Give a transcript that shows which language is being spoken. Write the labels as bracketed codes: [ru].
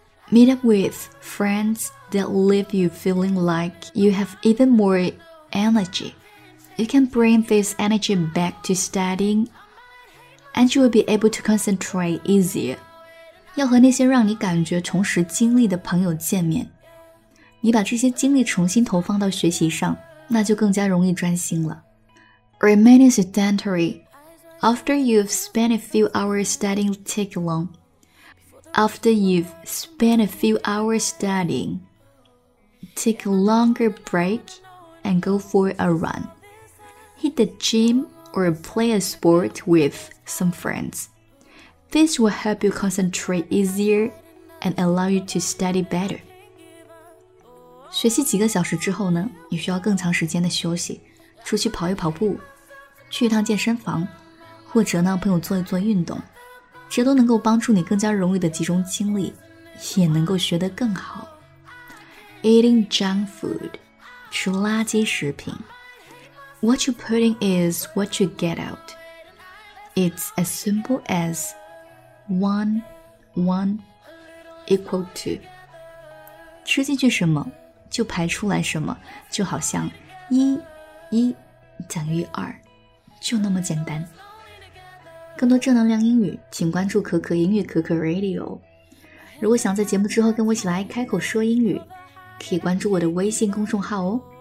[en] Meet up with friends that leave you feeling like you have even more energy. You can bring this energy back to studying and you will be able to concentrate easier. [zh] 要和那些让你感觉重拾精力的朋友见面，你把这些精力重新投放到学习上，那就更加容易专心了。 [en] Remaining sedentaryAfter you've spent a few hours studying, take a long. After you've spent a few hours studying, take a longer break and go for a run. Hit the gym or play a sport with some friends. This will help you concentrate easier and allow you to study better. [zh] 学习几个小时之后呢，你需要更长时间的休息，出去跑一跑步，去一趟健身房。或者呢，朋友做一做运动，这都能够帮助你更加容易的集中精力，也能够学得更好。 [en] Eating junk food， [zh] 吃垃圾食品。 [en] What you put in is what you get out. It's as simple as one, one, equal to. [zh] 吃进去什么，就排出来什么，就好像一，一等于二，就那么简单。更多正能量英语请关注可可英语可可 Radio， 如果想在节目之后跟我一起来开口说英语，可以关注我的微信公众号哦。